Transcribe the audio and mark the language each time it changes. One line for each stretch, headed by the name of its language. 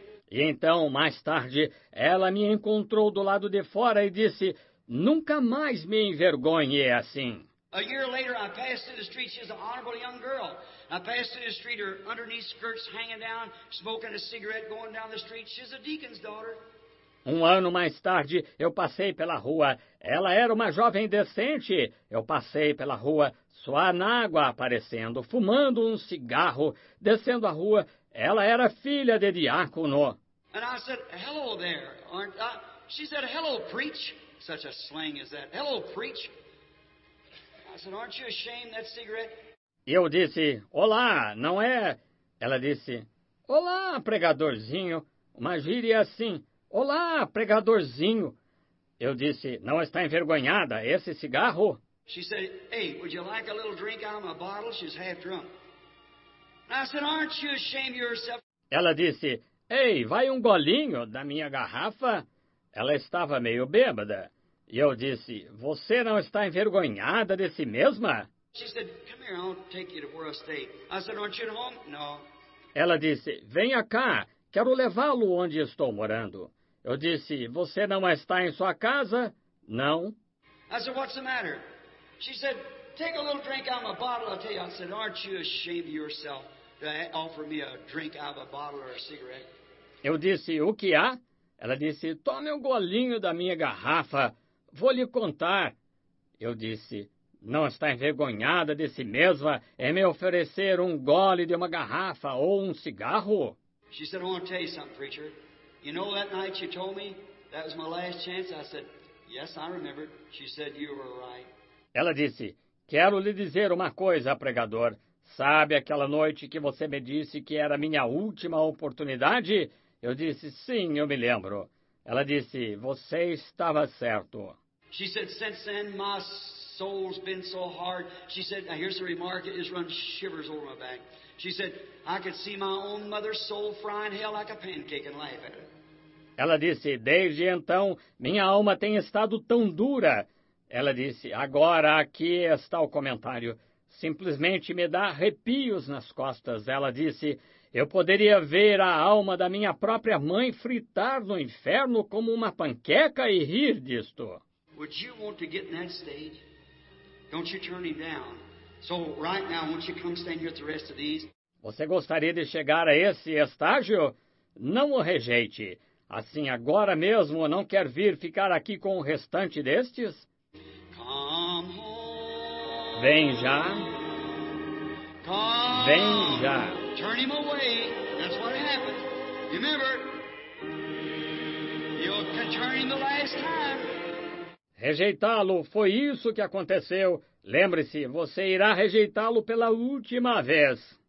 Portuguese: E então, mais tarde, ela me encontrou do lado de fora e disse, nunca mais me envergonhe assim.
English: A year later, I passed through the street. She was an honorable young girl. I passed through the street, her underneath skirts hanging down, smoking a cigarette, going down the street. She's a deacon's daughter.
Portuguese: Um ano mais tarde, eu passei pela rua. Ela era uma jovem decente. Eu passei pela rua, sua anágua aparecendo, fumando um cigarro, descendo a rua. Ela era filha de diácono.
English: And I said, hello there, aren't I? She said, hello, preach. Such a slang as that. Hello, preach. I said, aren't you ashamed that cigarette?
Portuguese: Eu disse, olá, não é? Ela disse, olá, pregadorzinho. Uma gíria assim, Olá, pregadorzinho. Eu disse, não está envergonhada, esse cigarro?
English: She said, hey, would you like a little drink out of my bottle? She's half drunk. And I said, aren't you ashamed of yourself?
Portuguese: Ela disse, ei, vai um golinho da minha garrafa. Ela estava meio bêbada. E eu disse, você não está envergonhada de si mesma?
English: She said, come here, I'll take you to where I stay. I said, aren't you at home? No.
Portuguese: Ela disse, venha cá, quero levá-lo onde estou morando. Eu disse, você não está em sua casa? Não.
English: I said, what's the matter? She said, take a little drink out of a bottle, I'll tell you. I said, aren't you ashamed of yourself to offer me a drink out of a bottle or a cigarette?
Portuguese: Eu disse, o que há? Ela disse, tome um golinho da minha garrafa, vou lhe contar. Eu disse, não está envergonhada de si mesma em me oferecer um gole de uma garrafa ou um cigarro?
English: She said, I want to tell you something, preacher. You know that night you told me that was my last chance? I said, yes, I remember. She said, you were right.
Portuguese: Ela disse, quero lhe dizer uma coisa, pregador. Sabe aquela noite que você me disse que era minha última oportunidade? Eu disse, sim, eu me lembro. Ela disse, você estava certo.
English: She said, since then my soul's been so hard. She said, now here's the remark, it just runs shivers over my back. She said, I could see my own mother's soul fry in hell like a pancake and laugh at it.
Portuguese: Ela disse, desde então, minha alma tem estado tão dura. Ela disse, agora aqui está o comentário. Simplesmente me dá arrepios nas costas. Ela disse, eu poderia ver a alma da minha própria mãe fritar no inferno como uma panqueca e rir disto.
English: Would you want to get in that state? Don't you turn him down. So right now, won't you come stand here with the rest of these?
Portuguese: Você gostaria de chegar a esse estágio? Não o rejeite. Assim, agora mesmo, não quer vir ficar aqui com o restante destes?
English: Come home.
Portuguese: Vem já.
English: Come.
Portuguese: Vem já.
English: Turn him away. That's what happened. Remember, you can turn him the last time.
Portuguese: Rejeitá-lo, foi isso que aconteceu. Lembre-se, você irá rejeitá-lo pela última vez.